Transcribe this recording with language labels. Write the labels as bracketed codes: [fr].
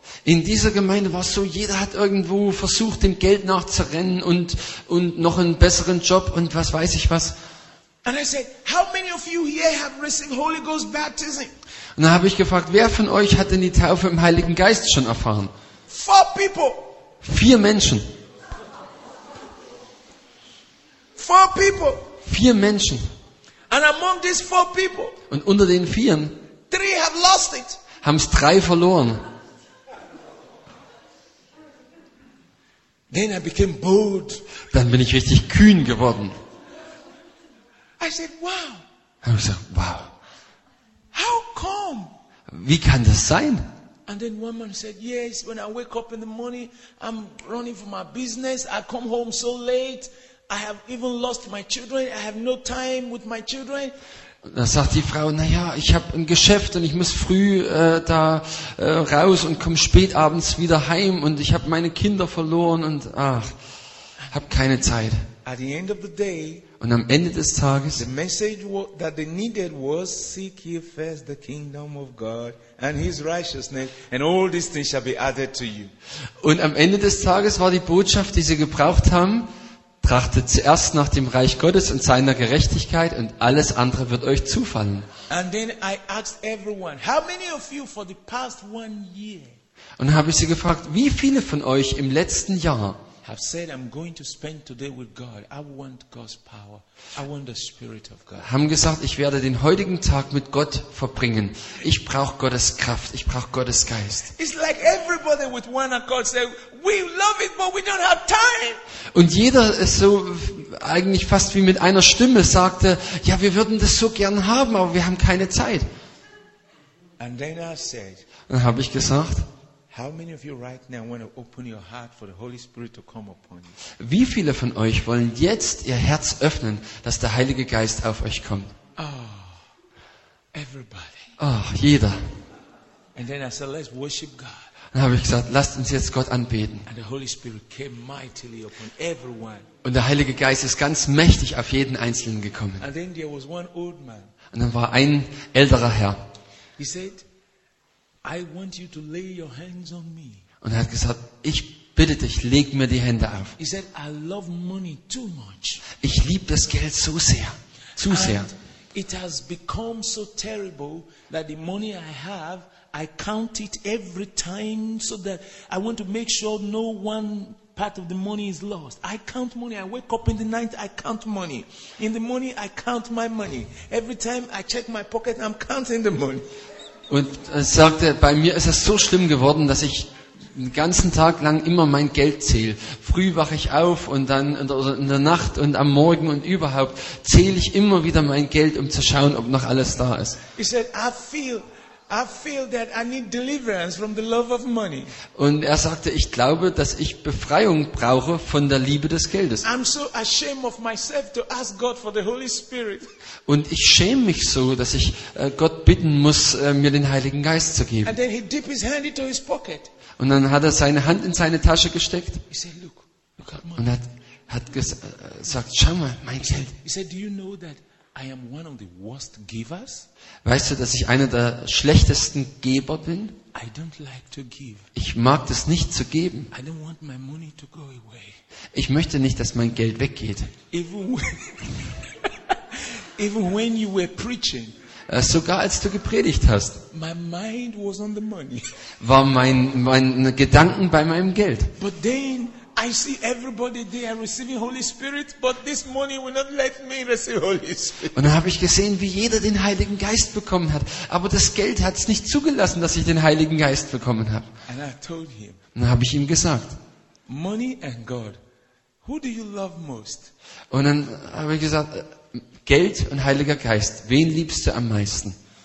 [de] In dieser Gemeinde war es so, jeder hat irgendwo versucht, dem Geld nachzurennen und noch einen besseren Job und was weiß ich was. [en] And I said, how many of you here have received Holy Ghost baptism? [de] Und dann habe ich gefragt, wer von euch hat denn die Taufe im Heiligen Geist schon erfahren? [en] 4 people. [de] 4 Menschen. [en] 4 people. [de] 4 Menschen. [en] And among these 4 people. [de] Und unter den 4 [en] 3 have lost it. [de] Haben es 3 verloren. [en] Then I became bold. [de] Dann bin ich richtig kühn geworden. [en] I said, wow. [de] Ich habe gesagt, wow. [en] How come? [de] Wie kann das sein? [en] And then one man said, yes, when I wake up in the morning, I'm running for my business. I come home so late. I have even lost my children. I have no time with my children. [de] Da sagt die Frau, naja, ich habe ein Geschäft und ich muss früh raus und komme spätabends wieder heim und ich habe meine Kinder verloren und ach, habe keine Zeit. [en] At the end of the day, [de] und am Ende des Tages, [en] the message that they needed was seek ye first the kingdom of God and his righteousness and all these things shall be added to you. [de] Und am Ende des Tages war die Botschaft, die sie gebraucht haben, trachte zuerst nach dem Reich Gottes und seiner Gerechtigkeit und alles andere wird euch zufallen. [en] And then I asked everyone, how many of you for the past 1 year? [de] Und habe ich sie gefragt, wie viele von euch im letzten Jahr [en] have said I'm going to spend today with God. I want God's power. I want the Spirit of God. [de] Haben gesagt, ich werde den heutigen Tag mit Gott verbringen. Ich brauche Gottes Kraft. Ich brauche Gottes Geist. [en] It's like everybody with one accord said, we love it, but we don't have time. [de] Und jeder ist so eigentlich fast wie mit einer Stimme sagte, ja, wir würden das so gern haben, aber wir haben keine Zeit. [en] And then I said, [de] dann habe ich gesagt, [en] how many of you right now want to open your heart for the Holy Spirit to come upon you? [de] Wie viele von euch wollen jetzt ihr Herz öffnen, dass der Heilige Geist auf euch kommt? [en] Oh, everybody. [de] Oh, jeder. [en] And then I said, let's worship God. [de] Dann habe ich gesagt, lasst uns jetzt Gott anbeten. [en] And the Holy Spirit came mightily upon everyone. [de] Und der Heilige Geist ist ganz mächtig auf jeden Einzelnen gekommen. [en] And then there was one old man. [de] Und dann war ein älterer Herr. [en] He said, I want you to lay your hands on me. [de] Und er hat gesagt, ich bitte dich, leg mir die Hände auf. [en] He said, I love money too much. [de] Ich liebe das Geld so sehr, zu sehr. [en] It has become so terrible that the money I have, I count it every time so that I want to make sure no one part of the money is lost. I count money. I wake up in the night, I count money. In the morning, I count my money. Every time I check my pocket, I'm counting the money. [de] Und er sagte, bei mir ist es so schlimm geworden, dass ich den ganzen Tag lang immer mein Geld zähle. Früh wache ich auf und dann in der Nacht und am Morgen und überhaupt zähle ich immer wieder mein Geld, um zu schauen, ob noch alles da ist. [en] He said, I feel that I need deliverance from the love of money. [de] Und er sagte, ich glaube, dass ich Befreiung brauche von der Liebe des Geldes. [en] I'm so ashamed of myself to ask God for the Holy Spirit. [de] Und ich schäme mich so, dass ich Gott bitten muss, mir den Heiligen Geist zu geben. [en] And then he dipped his hand into his pocket. [de] Und dann hat er seine Hand in seine Tasche gesteckt. [en] He said, look, look at [de] money. Und hat gesagt, schau mal, mein Geld. [en] He said, do you know that I am one of the worst givers? [de] Weißt du, dass ich einer der schlechtesten Geber bin? [en] I don't like to give. [de] Ich mag das nicht zu geben. [en] I don't want my money to go away. [de] Ich möchte nicht, dass mein Geld weggeht. [en] Even when you were preaching, [de] sogar als du gepredigt hast, [en] my mind was on the money. [de] War mein Gedanken bei meinem Geld. [en] But then I see everybody there receiving Holy Spirit, but this money will not let me receive Holy Spirit. [de] Und dann habe ich gesehen, wie jeder den Heiligen Geist bekommen hat, aber das Geld hat es nicht zugelassen, dass ich den Heiligen Geist bekommen habe. [en] And I told him, [de] und dann habe ich ihm gesagt, [en] money and God, who do you love most? [de] Und dann habe ich gesagt, Geld und Heiliger Geist, wen liebst du am meisten?